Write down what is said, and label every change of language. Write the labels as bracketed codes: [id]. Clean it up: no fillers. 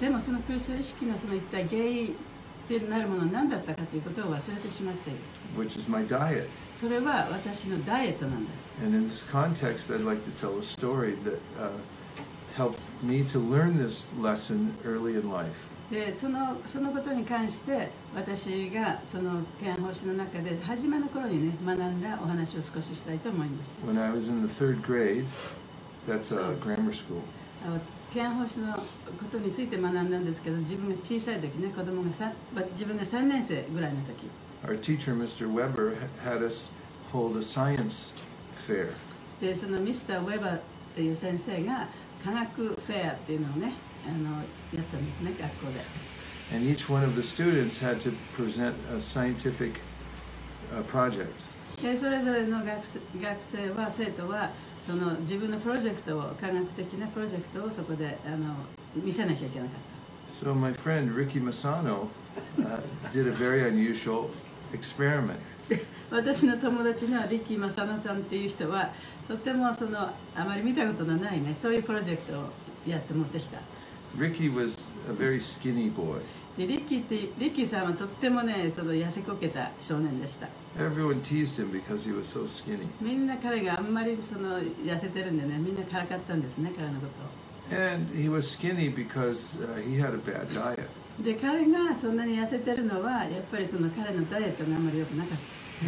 [ja] でもそのクリシュナ意識のその一体原因でなるものは何だったかということを忘れてしまっている。 [en] Which is my diet. [ja] それは私のダイエットなんだ。 [en] And in this context, I'd like to tell a story that helped me to learn this lesson early in life. [ja] で、そのことに関して、私がその啓蒙方針の中で初めの頃にね、学んだお話を少ししたいと思います。 [en] When I was in the third grade, that's a grammar school. [ja] 啓蒙方針のことについて学んだんですけど、自分が小さい時ね、子供が3、自分が3年生ぐらいの時。 [en] our teacher, Mr. Weber, had us hold a science fair. [ja] で、そのミスター・ウェバーっていう先生が科学フェアっていうのをね、やったんですね、学校で。 [en] And each one of the students had to present a scientific, project. [ja] で、それぞれの生徒は、その自分のプロジェクトを、科学的なプロジェクトをそこで、見せなきゃいけなかった。 [en] So my friend Ricky Masano, did a very unusual experiment. [ja] 私の友達のリッキー・マサノさんっていう人は、とてもそのあまり見たことのないね、そういうプロジェクトをやって持ってきた。 [en] Ricky was a very skinny boy. [ja] でリッキーさんはとってもね、その痩せこけた少年でした。 [en] Everyone teased him because he was so skinny. [ja] みんな彼があんまりその痩せてるんでね、みんなからかったんですね、彼のことを。 [en] And he was skinny because he had a bad diet. [ja] で彼がそんなに痩せてるのはやっぱりその彼のダイエットがあんまり良くなかった。